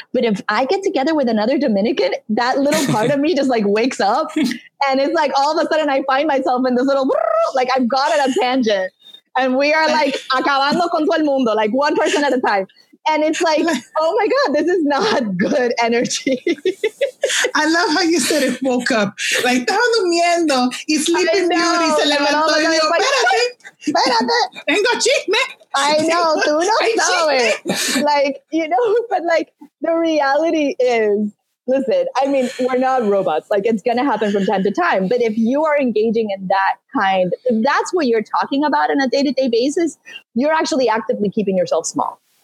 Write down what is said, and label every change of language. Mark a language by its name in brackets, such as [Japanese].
[English] But if I get together with another Dominican, that little part of me just like wakes up. And it's like all of a sudden I find myself in this little, like, I've gone on a tangent. And we are like [Spanish] acabando con todo el mundo, [English] like one person at a time. And it's like, oh my God, this is not good energy. I love how you said it woke up. [Spanish] Like, estaba durmiendo y Sleeping Beauty se levantó y dijo, espérate, espérate. Tengo chisme. [English] I know, [Spanish] tú no sabes. [English] Like, you know, but like, the reality is, listen, I mean, we're not robots. Like, it's going to happen from time to time. But if you are engaging in that kind, if that's what you're talking about on a day-to-day basis, you're actually actively keeping yourself small.